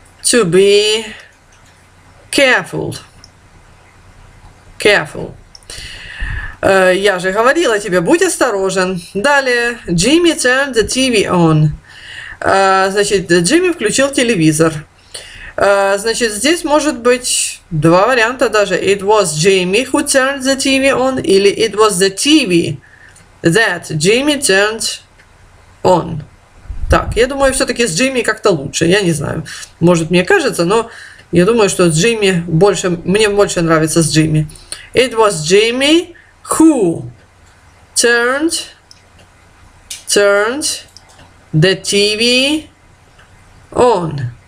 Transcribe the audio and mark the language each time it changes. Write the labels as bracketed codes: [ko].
[en] to be careful. Careful. [ru] Я же говорила тебе, будь осторожен. Далее. [en] Jimmy turned the TV on. [ru] Значит, Джимми включил телевизор. Значит, здесь может быть два варианта даже. [en] It was Jimmy who turned the TV on. [ru] Или [en] it was the TV that Jimmy turned on. [ru] Так, я думаю, все-таки с Джимми как-то лучше. Я не знаю. Может, мне кажется, но я думаю, что с Джимми больше, мне больше нравится с Джимми. [en] It was Jimmy who turned the TV on.